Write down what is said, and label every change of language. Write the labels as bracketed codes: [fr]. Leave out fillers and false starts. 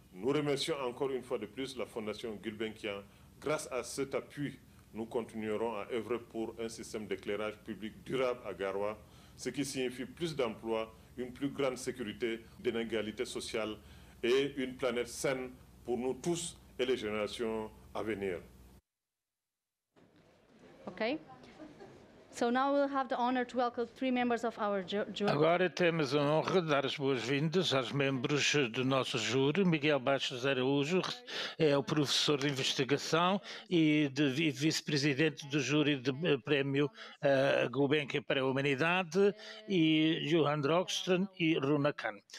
[fr] Nous remercions encore une fois de plus la Fondation Gulbenkian. Grâce à cet appui, nous continuerons à œuvrer pour un système d'éclairage public durable à Garoua, ce qui signifie plus d'emplois, une plus grande sécurité, d'inégalités sociales et une planète saine pour nous tous et les générations à venir. [en] Okay. So now we'll have the honor to welcome three members of our jury. [pt] Agora temos a honra de dar as boas-vindas aos membros do nosso júri. Miguel Baixos Araújo é o professor de investigação e vice-presidente do júri de prémio Gulbenkian para a Humanidade, e Johan Drogstrand e Runa Khan.